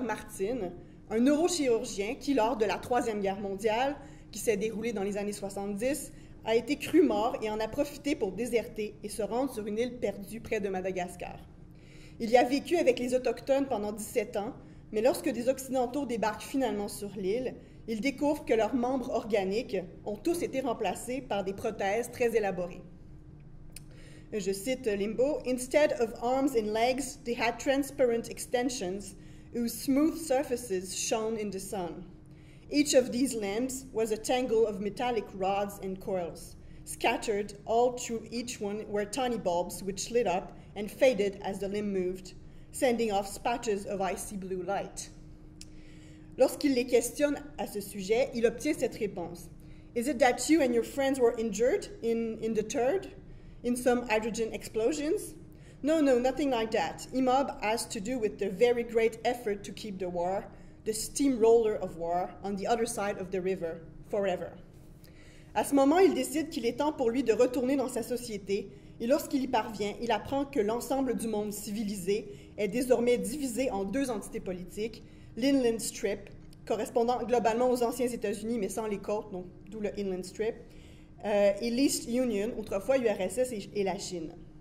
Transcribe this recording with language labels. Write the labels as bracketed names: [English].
[French] Martin, un neurochirurgien qui, lors de la Troisième Guerre mondiale, qui s'est déroulée dans les années 70, a été cru mort et en a profité pour déserter et se rendre sur une île perdue près de Madagascar. Il y a vécu avec les Autochtones pendant 17 ans, mais lorsque des Occidentaux débarquent finalement sur l'île, ils découvrent que leurs membres organiques ont tous été remplacés par des prothèses très élaborées. Je cite Limbo, [English] « Instead of arms and legs, they had transparent extensions whose smooth surfaces shone in the sun. Each of these limbs was a tangle of metallic rods and coils. Scattered all through each one were tiny bulbs which lit up and faded as the limb moved, sending off splashes of icy blue light. » [French] Lorsqu'il les questionne à ce sujet, il obtient cette réponse. [English] Is it that you and your friends were injured in the third, in some hydrogen explosions? No, no, nothing like that. IMOB has to do with the very great effort to keep the war, the steamroller of war, on the other side of the river, forever. [French] À ce moment, il décide qu'il est temps pour lui de retourner dans sa société, et lorsqu'il y parvient, il apprend que l'ensemble du monde civilisé est désormais divisé en deux entités politiques, l'Inland Strip, correspondant globalement aux anciens États-Unis, mais sans les côtes, donc d'où le Inland Strip, et l'East Union, autrefois URSS et la Chine.